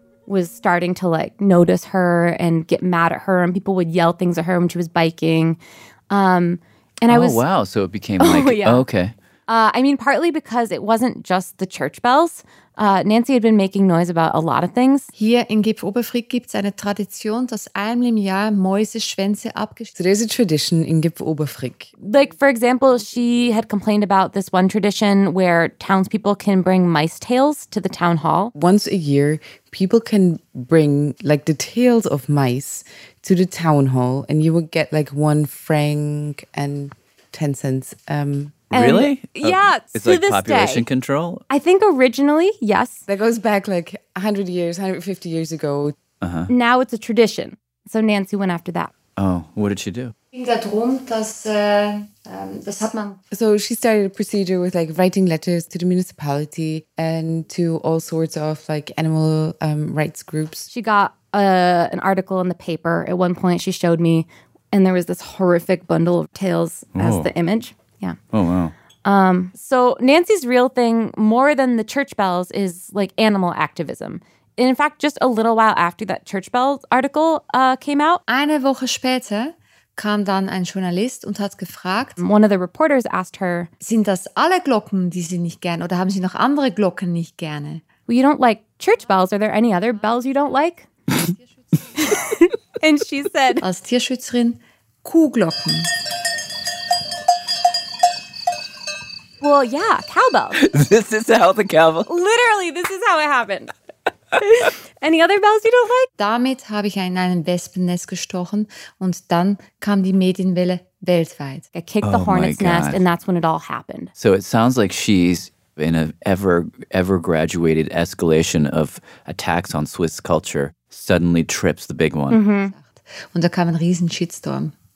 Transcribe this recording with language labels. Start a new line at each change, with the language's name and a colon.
English: was starting to like notice her and get mad at her, and people would yell things at her when she was biking. Wow. So it became okay. I mean, partly because it wasn't just the church bells. Nancy had been making noise about a lot of things.
German: Hier in Gipfoberfrick gibt's eine Tradition, dass einmal im Jahr Mäuse Schwänze abgeschnitten.
English: So there's a tradition in Gipfoberfrick. Like, for example, she had complained about this one tradition where townspeople can bring mice tails to the town hall. Once a year, people can bring like the tails of mice to the town hall, and you would get like 1 franc and 10 cents. Really? Yeah, it's like population control? I think originally, yes. That goes back like 100 years, 150 years ago. Uh-huh. Now it's a tradition. So Nancy went after that. Oh, what did she do? So she started a procedure with like writing letters to the municipality and to all sorts of like animal rights groups. She got an article in the paper at one point. She showed me, and there was this horrific bundle of tails as the image. Yeah. Oh, wow. So Nancy's real thing, more than the church bells, is like animal activism. And in fact, just a little while after that church bells article came out,
German: eine Woche später kam dann ein Journalist und hat gefragt,
English: one of the reporters asked her,
German: sind das alle Glocken, die Sie nicht gerne, oder haben Sie noch andere Glocken nicht gerne?
English: Well, you don't like church bells. Are there any other bells you don't like? And she said,
German: als Tierschützerin, Kuhglocken.
English: Well, yeah, cowbells. This is how the cowbell... Literally, this is how it happened. Any other bells you don't like?
German: Damit habe ich in einem Wespennest gestochen und dann kam die Medienwelle weltweit.
English: I kicked the hornet's nest and that's when it all happened. So it sounds like she's in an ever graduated escalation of attacks on Swiss culture, suddenly trips the big one.
German: Mm-hmm. Und da kam ein riesen Shitstorm.